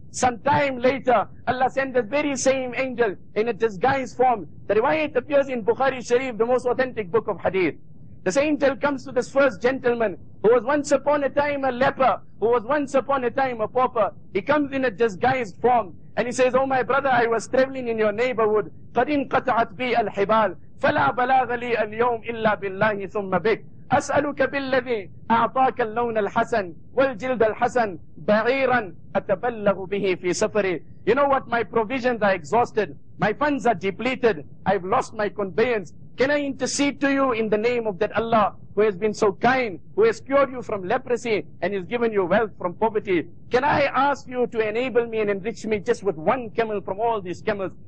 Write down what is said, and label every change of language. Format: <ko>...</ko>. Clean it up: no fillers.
<en>Sometime later, Allah sent the very same angel in a disguised form. The riwayat appears in Bukhari Sharif, the most authentic book of hadith. This angel comes to this first gentleman who was once upon a time a leper, who was once upon a time a pauper. He comes in a disguised form and he says, "Oh my brother, I was traveling in your neighborhood.</en> <ar>قَدْ انْقَطَعَتْ بِي الْحِبَالِ فَلَا بَلَاغَ لِي الْيَوْمِ إِلَّا بِاللَّهِ ثُمَّ بِكْ أسألك بالذي أعطاك اللون الحسن والجلد الحسن بعيرا أتبلغ به في سفري."</ar> <en>You know what? My provisions are exhausted. My funds are depleted. I've lost my conveyance. Can I intercede to you in the name of that Allah who has been so kind, who has cured you from leprosy and has given you wealth from poverty? Can I ask you to enable me and enrich me just with one camel from all these camels?</en>